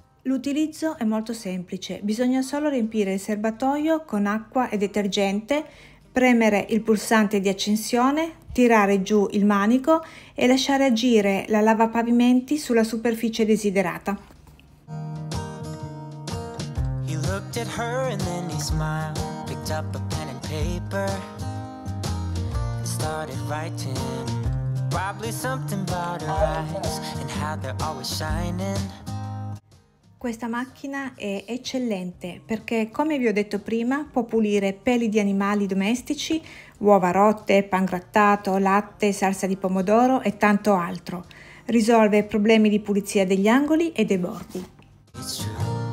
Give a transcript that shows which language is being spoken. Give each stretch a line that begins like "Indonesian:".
Italian: L'utilizzo è molto semplice, bisogna solo riempire il serbatoio con acqua e detergente, premere il pulsante di accensione, tirare giù il manico e lasciare agire la lavapavimenti sulla superficie desiderata.
English: He looked at her and then he smiled. picked up a pen and paper and started writing. Probably something about her eyes and how they're always shining.
Italian: Questa macchina è eccellente perché, come vi ho detto prima, può pulire peli di animali domestici, uova rotte, pan grattato, latte, salsa di pomodoro e tanto altro. Risolve problemi di pulizia degli angoli e dei bordi.